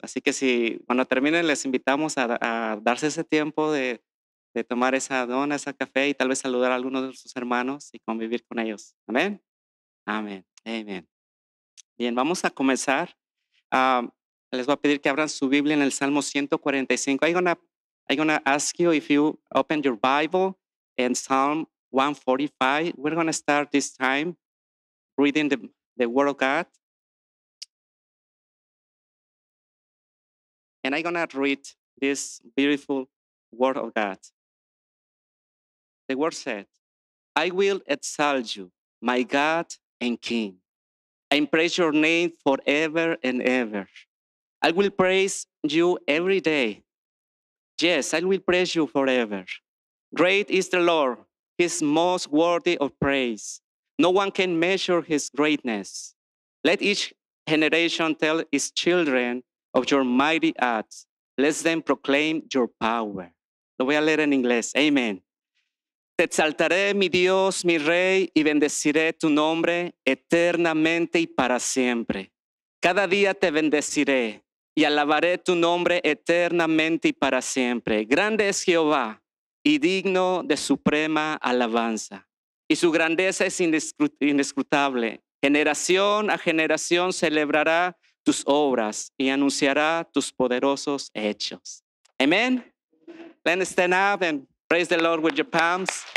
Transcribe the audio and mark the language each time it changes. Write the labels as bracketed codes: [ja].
[es] Así que si cuando terminen les invitamos a darse ese tiempo de tomar esa dona, ese café y tal vez saludar a alguno de sus hermanos y convivir con ellos. Amén. Amén. Amén. Bien, vamos a comenzar. Les voy a pedir que abran su Biblia en el Salmo 145. [en] I'm gonna ask you if you open your Bible in Psalm 145. We're gonna start this time reading the Word of God. And I'm gonna read this beautiful Word of God. The Word said, I will exalt you, my God and King. I praise your name forever and ever. I will praise you every day. Yes, I will praise you forever. Great is the Lord. He is most worthy of praise. No one can measure his greatness. Let each generation tell its children of your mighty acts. Let them proclaim your power. [es] Lo voy a leer en inglés. [en] Amen. [es] Te exaltaré, mi Dios, mi Rey, y bendeciré tu nombre eternamente y para siempre. Cada día te bendeciré y alabaré tu nombre eternamente y para siempre. Grande es Jehová y digno de suprema alabanza. Y su grandeza es inescrutable. Generación a generación celebrará tus obras y anunciará tus poderosos hechos. Amén. [en] Then stand up and praise the Lord with your palms.